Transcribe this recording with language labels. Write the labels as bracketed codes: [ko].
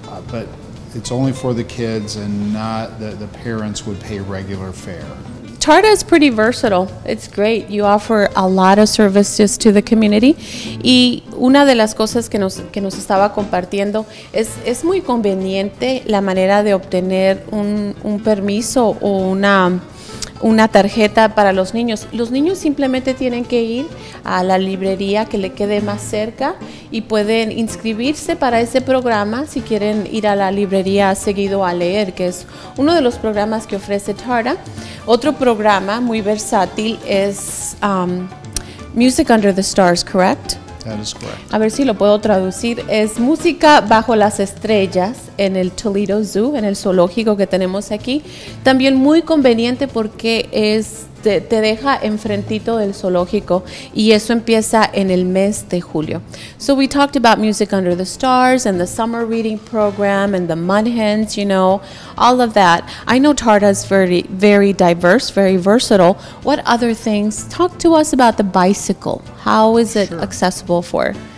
[en] But it's only for the kids and not that the parents would pay regular fare. TARDA is pretty versatile. It's great. You offer a lot of services to the community. [es] Y una de las cosas que nos estaba compartiendo es muy conveniente la manera de obtener un permiso o una tarjeta para los niños. Los niños simplemente tienen que ir a la librería que le quede más cerca y pueden inscribirse para ese programa si quieren ir a la librería seguido a leer, que es uno de los programas que ofrece TARDA. Otro programa muy versátil es Music Under the Stars, correct? [en] That is correct. [es] A ver si lo puedo traducir. Es Música Bajo las Estrellas en el Toledo Zoo, en el zoológico que tenemos aquí. También muy conveniente porque te deja enfrentito del zoológico y eso empieza en el mes de julio. [en] So we talked about Music Under the Stars and the summer reading program and the Mud Hens, you know, all of that. I know TARDA is very, very diverse, very versatile. What other things? Talk to us about the bicycle. How is it accessible for?